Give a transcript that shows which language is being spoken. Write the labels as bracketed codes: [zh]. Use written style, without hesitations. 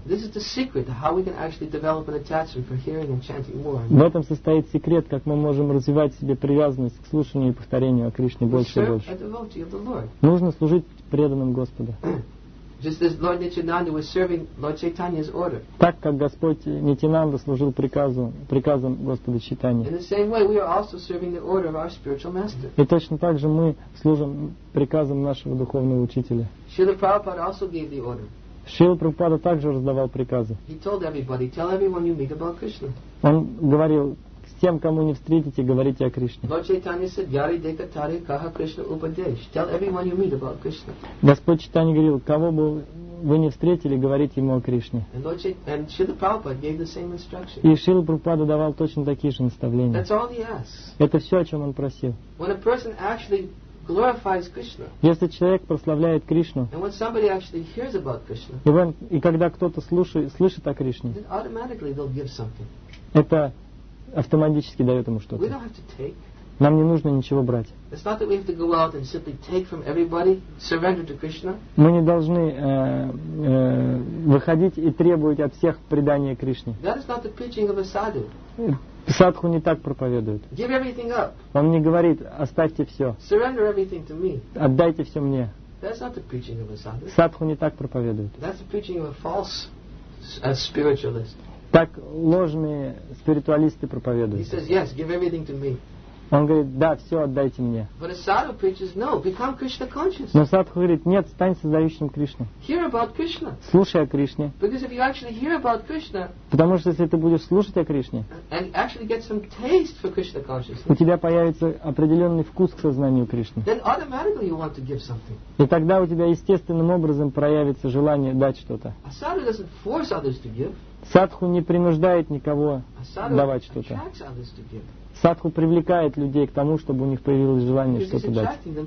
[ru] В этом состоит секрет, как мы можем развивать себе привязанность к слушанию и повторению о Кришне больше и больше. Нужно служить преданным Господу. [en] Just as Lord Nityananda was serving Lord Chaitanya's order. [ru] Так как Господь Нитинанда служил приказом Господа Чайтаньи. [en] In the same way, we are also serving the order of our spiritual master. [ru] И точно так же мы служим приказом нашего духовного учителя. [en] Шрила Прабхупада also gave the order. [ru] Шрила Прабхупада также раздавал приказы. [en] He told everybody, tell everyone you meet about Krishna. [ru] Он говорил, тем, кому не встретите, говорите о Кришне. [en] Lord Chaitanya said, [bn] Yari deka tari kaha Krishna upadesh. [en] Tell everyone you meet about Krishna. [ru] Господь Чайтанья говорил, кого бы вы не встретили, говорите ему о Кришне. [en] And Srila Prabhupada gave the same instruction. [ru] И Шрила Прабхупада давал точно такие же наставления. [en] That's all he asked. [ru] Это все, о чем он просил. [en] When a person actually glorifies Krishna. [ru] Если человек прославляет Кришну. [en] And when somebody actually hears about Krishna. [ru] И когда кто-то слышит о Кришне. [en] Then automatically they'll give something. [ru] Это автоматически дает ему что-то. Нам не нужно ничего брать. [en] It's not that we have to go out and simply take from everybody, surrender to Krishna. [ru] Мы не должны выходить и требовать от всех предания Кришне. [en] That is not the preaching of a sadhu. [ru] Садху не так проповедует. [en] Give everything up. [ru] Он не говорит, оставьте все. [en] Surrender everything to me. [ru] Отдайте все мне. [en] That's not the preaching of a sadhu. [ru] Садху не так проповедует. [en] That's the preaching of a false spiritualist. [ru] Так ложные спиритуалисты проповедуют. [en] He says, yes, give everything to me. [ru] Он говорит, да, все, отдайте мне. [en] But a sadhu preaches, no, become Krishna conscious. [ru] Но садху говорит, нет, стань создающим Кришну. [en] Hear about Krishna. [ru] Слушай о Кришне. [en] Because if you actually hear about Krishna, [ru] потому что если ты будешь слушать о Кришне, [en] and actually get some taste for Krishna consciousness, [ru] у тебя появится определенный вкус к сознанию Кришны. [en] Then automatically you want to give something. [ru] И тогда у тебя естественным образом проявится желание дать что-то. [en] A sadhu doesn't force others to give. [ru] Садху не принуждает никого давать что-то. Садху привлекает людей к тому, чтобы у них появилось желание что-то дать.